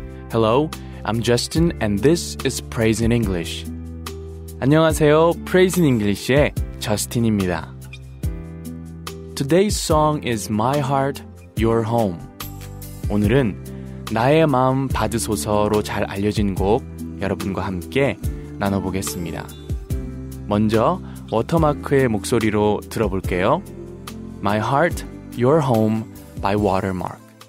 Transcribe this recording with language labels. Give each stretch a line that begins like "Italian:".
English: Hello, I'm Justin and this is Praise in English.
Korean: 안녕하세요.
English: Praise in English의
Korean: 저스틴입니다.
English: Today's song is My Heart, Your Home.
Korean: 오늘은 나의 마음 받으소서로 잘 알려진 곡 여러분과 함께 나눠보겠습니다. 먼저 워터마크의 목소리로 들어볼게요.
English: My Heart, Your Home by Watermark.